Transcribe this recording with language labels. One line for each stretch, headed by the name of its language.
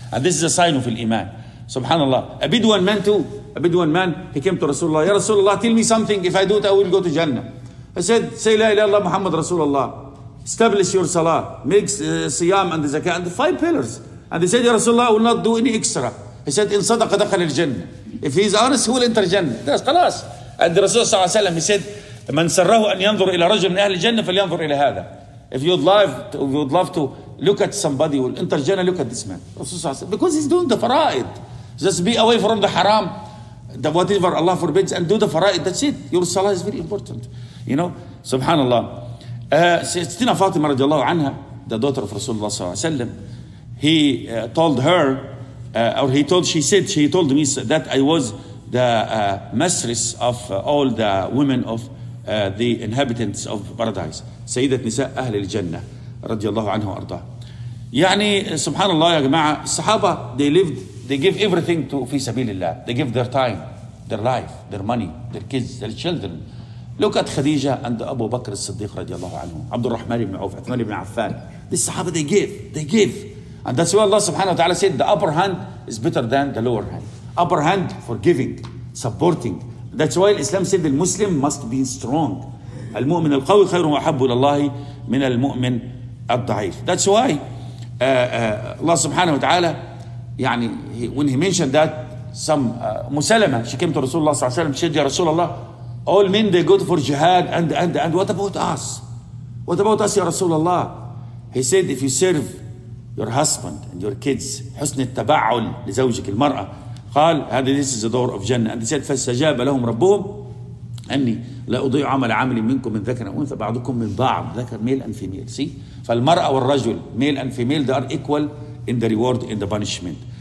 English: And this is a sign of iman. Subhanallah. A Bedouin man too. A Bedouin man, he came to Rasulullah. Ya Rasulullah, tell me something. If I do it, I will go to Jannah. I said, say la ilaha illa Muhammad Rasulullah. Establish your salah. Make siyam and the zakah and the five pillars. And he said, Ya Rasulullah, I will not do any extra. He said, in sadaqa dakhal al-jannah. If he is honest, he will enter Jannah. That's khalas. And Rasulullah sallallahu alayhi wa sallam, he said,
Arabic: من سره أن ينظر إلى رجل من أهل الجنة فلينظر إلى هذا.
English: If you'd like, if you'd love to look at somebody, you'll enter Jannah, look at this man. Because he's doing the faraid. Just be away from the haram, the whatever Allah forbids, and do the faraid. That's it. Your salah is very important. You know, subhanallah. Sayyidina Fatima رضي الله عنها, the daughter of Rasulullah صلى الله عليه وسلم, he told her, or he told, she said, she told me that I was the mistress of all the women of the inhabitants of paradise.
Arabic: سيدة نساء أهل الجنة رضي الله عنه وأرضاه. يعني سبحان الله يا جماعة, الصحابة
English: they lived, they give everything to
Arabic: في سبيل الله.
English: They give their time, their life, their money, their kids, their children. Look at خديجة and أبو بكر الصديق رضي الله عنه, عبد الرحمن بن عوف, عثمان بن عفان. The صحابة they give, they give. And that's why Allah سبحانه وتعالى said the upper hand is better than the lower hand. Upper hand for giving, supporting. That's why Islam said the Muslim must be strong.
Arabic: المؤمن القوي خير وأحب إلى الله من المؤمن الضعيف.
English: That's why Allah سبحانه وتعالى يعني when he mentioned that مسلمة, she came to رسول الله صلى الله عليه وسلم, she said,
Arabic: يا رسول الله,
English: all men they go for jihad and what about us? What about us يا رسول الله? He said, if you serve your husband and your kids,
Arabic: حسن التبعل لزوجك المرأة, قال هذا
English: this is the door of Jannah.
Arabic: And he said, فاستجاب لهم ربهم أني لا أضيع عمل عامل منكم من ذكر أنثى بعضكم من بعض, ذكر
English: male and female. See,
Arabic: فالمرأة والرجل
English: male and female they are equal in the reward in the punishment.